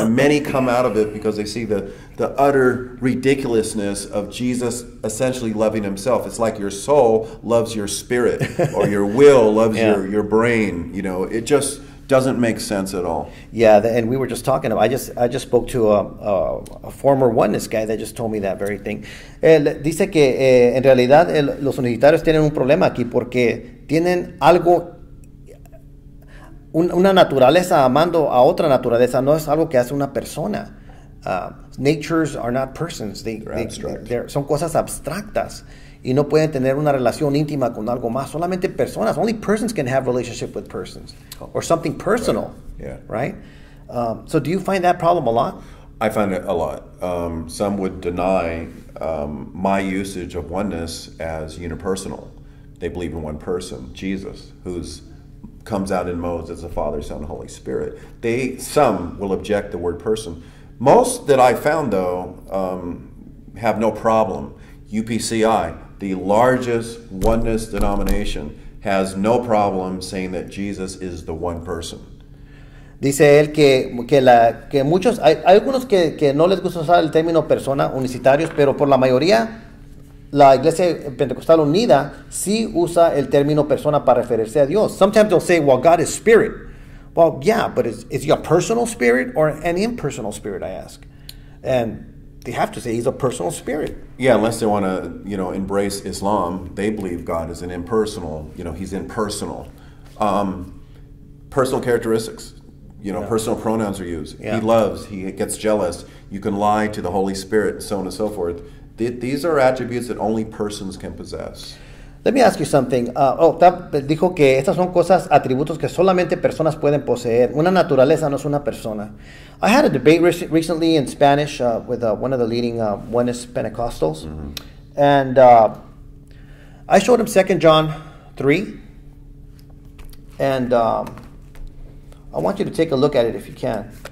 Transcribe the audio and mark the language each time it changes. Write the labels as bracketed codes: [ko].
[en] And many come out of it because they see the utter ridiculousness of Jesus essentially loving himself. It's like your soul loves your spirit, or your will loves your brain. You know, it just doesn't make sense at all. Yeah, and we were just talking about, I just spoke to a former Oneness guy that just told me that very thing. [es] Él dice que en realidad los universitarios tienen un problema aquí porque tienen algo, una naturaleza amando a otra naturaleza, no es algo que hace una persona. [en] Natures are not persons. They're abstract. [es] Son cosas abstractas. Y no pueden tener una relación íntima con algo más. Solamente personas. [en] Only persons can have relationship with persons. Or something personal. Right. Yeah. Right? So do you find that problem a lot? I find it a lot. Some would deny my usage of Oneness as unipersonal. They believe in one person, Jesus, comes out in modes as the Father, Son, and Holy Spirit. Some will object the word person. Most that I found, though, have no problem. UPCI, the largest Oneness denomination, has no problem saying that Jesus is the one person. [es] Dice él que muchos, hay algunos que no les gusta usar el término persona, unicitarios, pero por la mayoría, la Iglesia Pentecostal Unida sí usa el término persona para referirse a Dios. [en] Sometimes they'll say, well, God is spirit. Well, yeah, but is he a personal spirit or an impersonal spirit, I ask. And they have to say he's a personal spirit. Yeah, unless they want to, you know, embrace Islam, they believe God is an impersonal, you know, he's impersonal. Personal characteristics, you know, personal pronouns are used. Yeah. He loves, he gets jealous, you can lie to the Holy Spirit, so on and so forth. These are attributes that only persons can possess. Let me ask you something. [es] Dijo que estas son cosas, atributos que solamente personas pueden poseer. Una naturaleza no es una persona. [en] I had a debate recently in Spanish with one of the leading Oneness Pentecostals. Mm-hmm. And I showed him 2 John 3. And I want you to take a look at it if you can.